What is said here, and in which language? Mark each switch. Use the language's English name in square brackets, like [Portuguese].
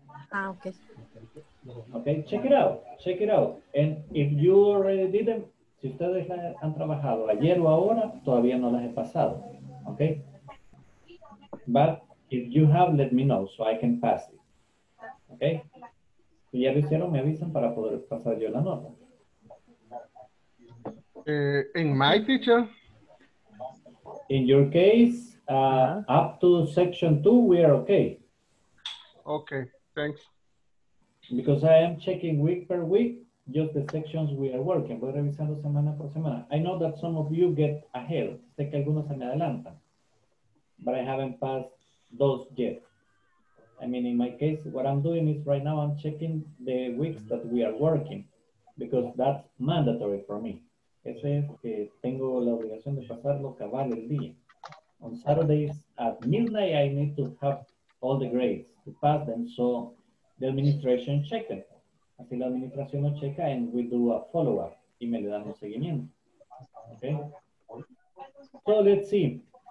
[English] Ah, okay. Okay, check it out. Check it out. And if you already did them, [Spanish] si ustedes han trabajado ayer o ahora, todavía no las he pasado. [English] Okay? But if you have, let me know so I can pass it. Okay? [Spanish] Si ya lo hicieron, me avisan para poder pasar yo la nota. [English] In my teacher? In your case, up to section 2, we are okay. Okay, thanks. Because I am checking week per week, just the sections we are working. [Spanish] Voy revisando semana por semana. [English] I know that some of you get ahead. [Spanish] Sé que algunos se me adelantan. [English] But I haven't passed those yet. I mean, in my case, what I'm doing is right now I'm checking the weeks that we are working because that's mandatory for me. [Spanish] Eso es que tengo la obligación de pasarlo cabal el día. [English] On Saturdays at midnight, I need to have all the grades to pass them so the administration checks them. [Spanish] Así la administración lo checa [English] and we do a follow-up [Spanish] y me le dan un seguimiento. [English] Okay? So let's see.